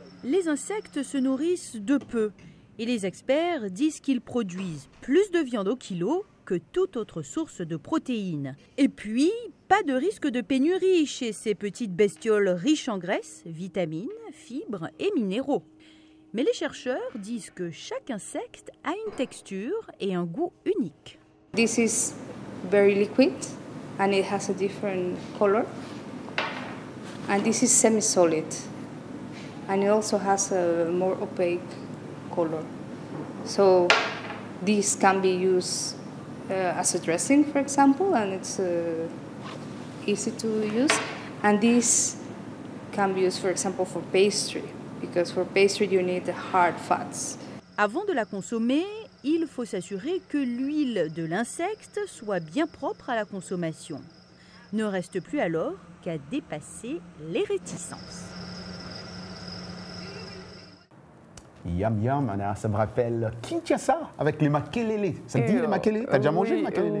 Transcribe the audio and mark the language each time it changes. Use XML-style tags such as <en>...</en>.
<fr>Les insectes se nourrissent de peu et les experts disent qu'ils produisent plus de viande au kilo que toute autre source de protéines. Et puis, pas de risque de pénurie chez ces petites bestioles riches en graisses, vitamines, fibres et minéraux. Mais les chercheurs disent que chaque insecte a une texture et un goût unique.</fr> <en>This is very liquid and it has a different color. And this is semi-solid. And it also has a more opaque color. So this can be used as a dressing, for example, and it's easy to use. And this can be used, for example, for pastry, because for pastry you need the hard fats.</en> <fr>Avant de la consommer, il faut s'assurer que l'huile de l'insecte soit bien propre à la consommation. Ne reste plus alors qu'à dépasser les réticences. Yum yum, Anna, ça me rappelle. Qui tient ça avec les makelele? Ça te dit les makelele? T'as déjà mangé les makelele?</fr>